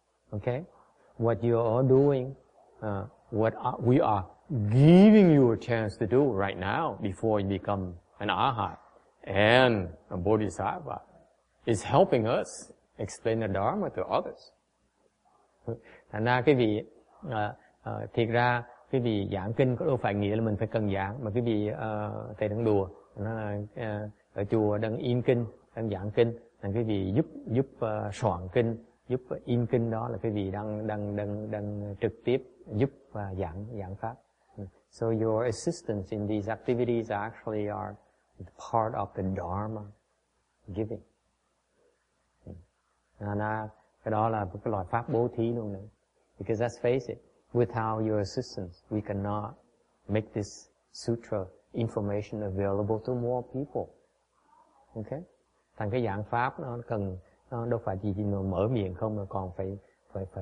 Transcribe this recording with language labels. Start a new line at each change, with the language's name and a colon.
English: Okay, what you are doing, we are giving you a chance to do right now before you become an arhat and a bodhisattva is helping us explain the Dharma to others.
Vietnamese: Thành ra quý vị, thiệt ra quý vị giảng kinh có đâu phải nghĩa là mình phải cần giảng, mà quý vị thầy đang đùa, nó là ở chùa đang in kinh, đang giảng kinh, nên quý vị giúp soạn kinh, giúp in kinh đó là quý vị đang trực tiếp giúp và giảng pháp.
English: So your assistance in these activities actually are part of the Dharma giving.
Vietnamese: Cái đó là cái loại pháp bố thí luôn nữa.
English: Because let's face it, without your assistance, we cannot make this sutra information available to more people.
Vietnamese: Okay? Thành cái giảng pháp nó cần, nó đâu phải chỉ mở miệng không, mà còn phải uh,